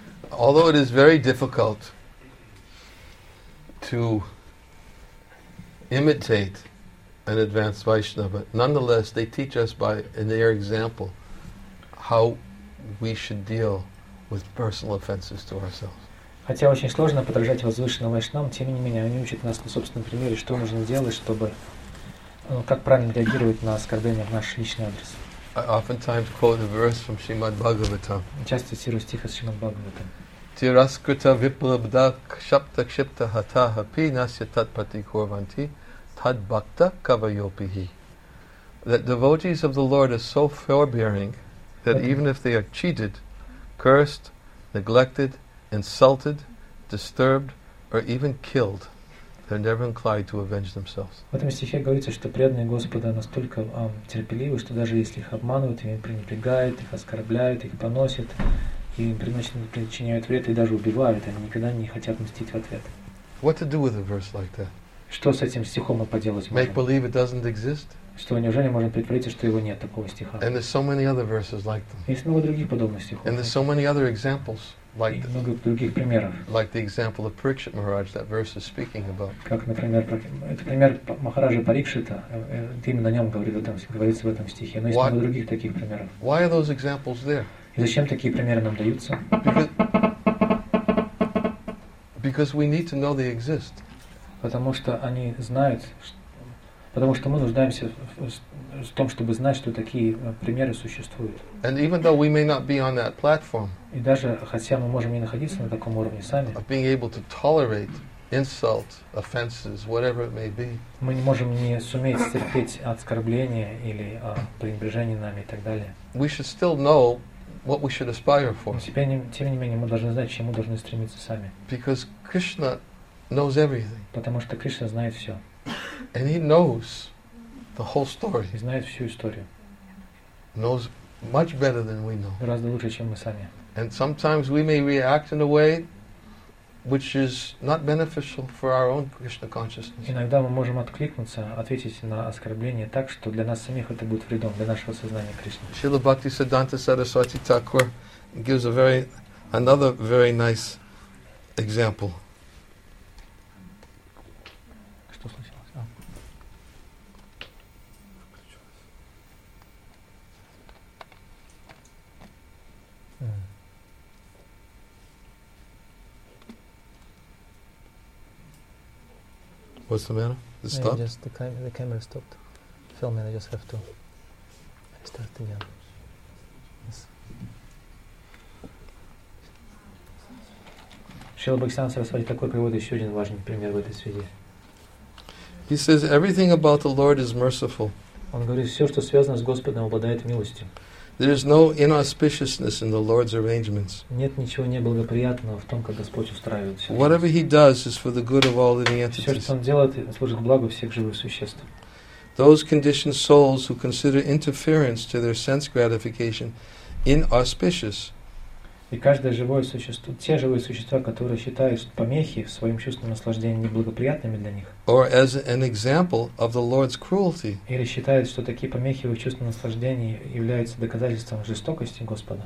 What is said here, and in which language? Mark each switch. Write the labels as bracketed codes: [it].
[en] Although it is very difficult to imitate an advanced Vaishnava, nonetheless, they teach us by their example how we should deal with personal offenses to ourselves. [ru] Хотя очень сложно подражать возвышенным вайшнавам, тем не менее они учат нас на собственном примере, что нужно делать, чтобы, ну, как правильно реагировать на оскорбления в наш личный адрес. [en] I oftentimes quote a verse from Srimad Bhagavatam. [ru] Часто цитирую стих из Шримад Бхагаватам. [sa] Tiraskrita viprabda kshapta kshipta hataha pi nasya tat pati korvanti tad bhakta kavayopihi. [en] That devotees of the Lord are so forbearing that even if they are cheated, cursed, neglected, insulted, disturbed, or even killed, they're never inclined to avenge themselves. [ru] В этом стихе говорится, что преданные Господа настолько терпеливы, что даже если их обманывают, их пренебрегают, их оскорбляют, их поносят, и причиняют вред, и даже убивают, они никогда не хотят мстить в ответ. [en] What to do with a verse like that? [ru] Что с этим стихом мы поделать можем? [en] Make believe it doesn't exist? [ru] Что неужели можем предположить, что его нет, такого стиха? [en] And there's so many other verses like them. [ru] Есть много других подобных стихов. [en] And there's so many other examples. Like the example of Parikshit Maharaj that verse is speaking about. [ru] Как, например, это пример Махараджа Парикшита, именно о нем говорится в этом стихе. Но есть много других таких примеров. [en] Why are those examples there? [ru] И зачем такие примеры нам даются? [en] Because we need to know they exist. [ru] Потому что они знают, потому что мы нуждаемся в том, чтобы знать, что такие примеры существуют. [en] And even though we may not be on that platform, [ru] и даже хотя мы можем не находиться на таком уровне сами, [en] of being able to tolerate insult, offenses, whatever it may be, [ru] мы не можем не суметь терпеть оскорбления или пренебрежение нами и так далее. [en] We should still know what we should aspire for. [ru] Тем не менее, мы должны знать, к чему должны стремиться сами. [en] Because Krishna knows everything. [ru] Потому что Кришна знает все. [en] And he knows the whole story. [ru] He знает всю историю. [en] Knows much better than we know. [ru] Гораздо лучше, чем мы сами. [en] And sometimes we may react in a way which is not beneficial for our own Krishna consciousness. [ru] Иногда мы можем откликнуться, ответить на оскорбление так, что для нас самих это будет вредом, для нашего сознания Кришны. [en] Srila Bhaktisiddhanta Saraswati Thakur gives another very nice example. What's the matter? It stopped? Just the camera stopped filming. I just have to start again. [ru] Шрила Бхактисиддханта Сарасвати Такур приводит еще один важный пример в этой связи. [en] He says everything about the Lord is merciful. [ru] Он говорит, все, что связано с Господом, обладает милостью. [en] There is no inauspiciousness in the Lord's arrangements. [ru] Нет ничего неблагоприятного в том, как Господь устраивает все. [en] Whatever He does is for the good of all living entities. [ru] Все, что Он делает, служит к благу всех живых существ. [en] Those conditioned souls who consider interference to their sense gratification inauspicious. [ru] И каждое живое существо, те живые существа, которые считают помехи в своем чувственном наслаждении неблагоприятными для них, [en] or as an example of the Lord's cruelty, [ru] или считают, что такие помехи в их чувственном наслаждении являются доказательством жестокости Господа,